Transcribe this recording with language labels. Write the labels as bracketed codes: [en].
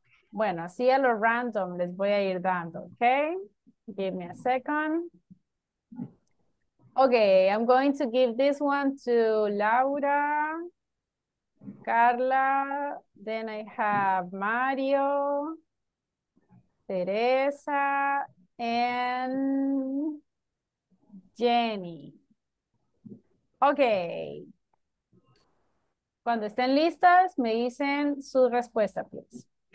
[es] Bueno, así a lo random les voy a ir dando, ¿ok? [en] Give me a second. Ok, I'm going to give this one to Laura, Carla, then I have Mario, Teresa, and Jenny. Okay. [es] Cuando estén listas, me dicen su respuesta, [en] please.